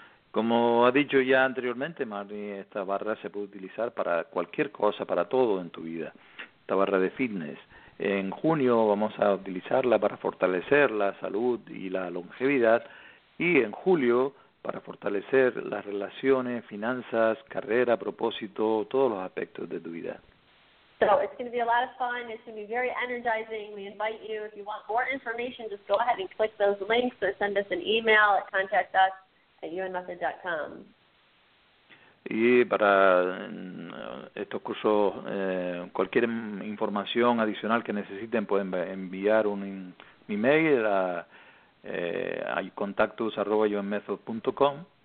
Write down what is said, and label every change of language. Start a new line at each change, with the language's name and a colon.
Spanish: Como ha dicho ya anteriormente, Marley, esta barra se puede utilizar para cualquier cosa, para todo en tu vida. Esta barra de fitness. En junio vamos a utilizarla para fortalecer la salud y la longevidad. Y en julio para fortalecer las relaciones, finanzas, carrera, propósito, todos los aspectos de tu vida.
English: So it's going to be a lot of fun. It's going to be very energizing. We invite you, if you want more information, just go ahead and click those links or send us an email at contactus@yuenmethod.com.
Spanish: Y para estos cursos, cualquier información adicional que necesiten pueden enviar un email a contactus@yuenmethod.com.